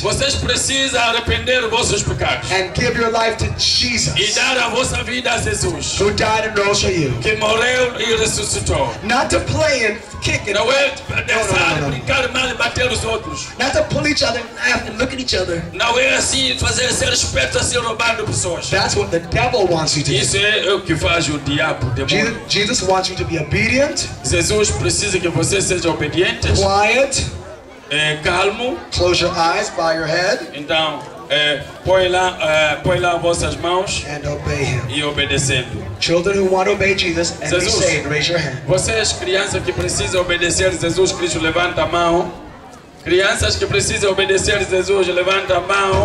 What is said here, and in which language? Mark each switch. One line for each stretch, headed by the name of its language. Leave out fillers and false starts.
Portuguese: vocês precisam arrepender dos vossos pecados.
English: And give your life to Jesus.
Portuguese: E dar a vossa vida a Jesus.
English: Who died and rose for you.
Portuguese: Que morreu e ressuscitou.
English: Not to play and kick and
Portuguese: brincar mal e bater os outros.
English: Not to pull each other and laugh and look at each other.
Portuguese: Não é assim fazer ser esperto assim roubando pessoas.
English: That's what the devil wants you to do.
Portuguese: Isso é o que faz o diabo.
English: Jesus wants you to be obedient.
Portuguese: Jesus precisa que você seja obediente.
English: Quiet.
Portuguese: Calmo.
English: Close your eyes, bow your head.
Portuguese: Então, põe lá vossas mãos.
English: And obey him.
Portuguese: E obedecendo.
English: Children who want to obey Jesus and Jesus, be saved, raise your hand.
Portuguese: Vocês crianças que precisam obedecer Jesus Cristo, levanta a mão. Crianças que precisam obedecer Jesus, levanta a mão.